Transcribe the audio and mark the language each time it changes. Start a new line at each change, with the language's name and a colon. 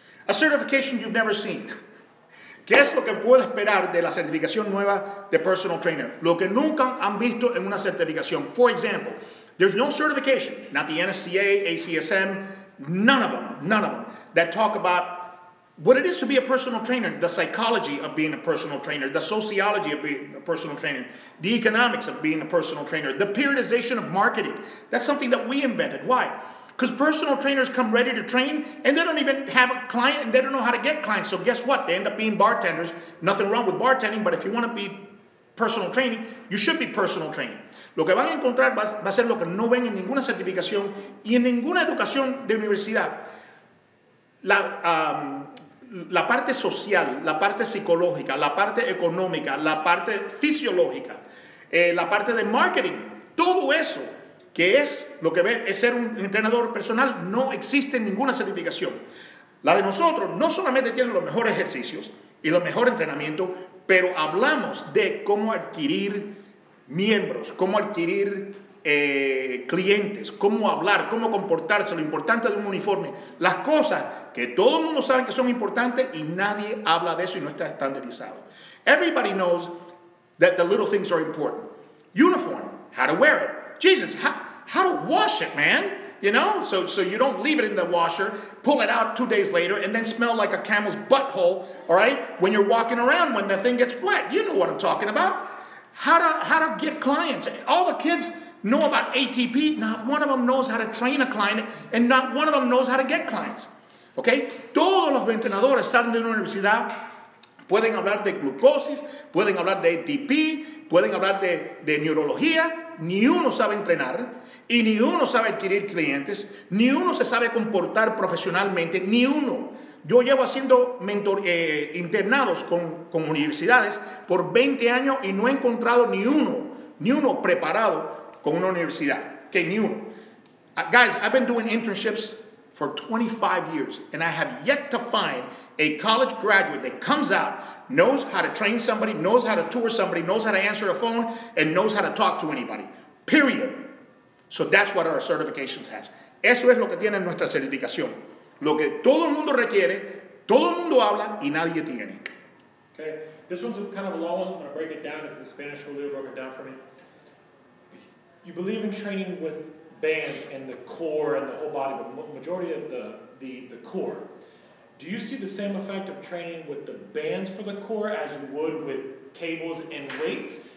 English: A certification you've never seen.
Spanish: ¿Qué es lo que puedo esperar de la certificación nueva de personal trainer? Lo que nunca han visto en una certificación.
English: For example, there's no certification, not the NSCA, ACSM, none of them, that talk about what it is to be a personal trainer, the psychology of being a personal trainer, the sociology of being a personal trainer, the economics of being a personal trainer, the periodization of marketing. That's something that we invented. Why? Because personal trainers come ready to train and they don't even have a client and they don't know how to get clients. So guess what? They end up being bartenders. Nothing wrong with bartending, but if you want to be personal training, you should be personal training.
Spanish: Lo que van a encontrar va a ser lo que no ven en ninguna certificación y en ninguna educación de universidad. La parte social, la parte psicológica, la parte económica, la parte fisiológica. la parte de marketing, todo eso que es lo que es ser un entrenador personal, no existe ninguna certificación. La de nosotros no solamente tiene los mejores ejercicios y los mejores entrenamientos, pero hablamos de cómo adquirir miembros, cómo adquirir clientes, cómo hablar, cómo comportarse, lo importante de un uniforme, las cosas que todo el mundo sabe que son importantes y nadie habla de eso y no está estandarizado.
English: Everybody knows that the little things are important. Uniform, how to wear it. Jesus, how to wash it, man. You know, so you don't leave it in the washer, pull it out 2 days later, and then smell like a camel's butthole, all right, when you're walking around when the thing gets wet. You know what I'm talking about. How to get clients. All the kids know about ATP. Not one of them knows how to train a client, and not one of them knows how to get clients.
Spanish: Okay? Todos los entrenadores salen de una universidad. Pueden hablar de glucosis, pueden hablar de ATP, pueden hablar de neurología. Ni uno sabe entrenar, y ni uno sabe adquirir clientes, ni uno se sabe comportar profesionalmente, ni uno. Yo llevo haciendo internados con universidades por 20 años y no he encontrado ni uno preparado con una universidad. Okay, ni uno.
English: Guys, I've been doing internships for 25 years, and I have yet to find a college graduate that comes out, knows how to train somebody, knows how to tour somebody, knows how to answer a phone, and knows how to talk to anybody. Period. So that's what our certifications has.
Spanish: Eso es lo que tiene nuestra certificación. Lo que todo el mundo requiere, todo el mundo habla y nadie tiene.
English: Okay, this one's kind of a long one, so I'm going to break it down. It's in Spanish, Julio broke it down for me. You believe in training with bands and the core and the whole body, but majority of the core. Do you see the same effect of training with the bands for the core as you would with cables and weights?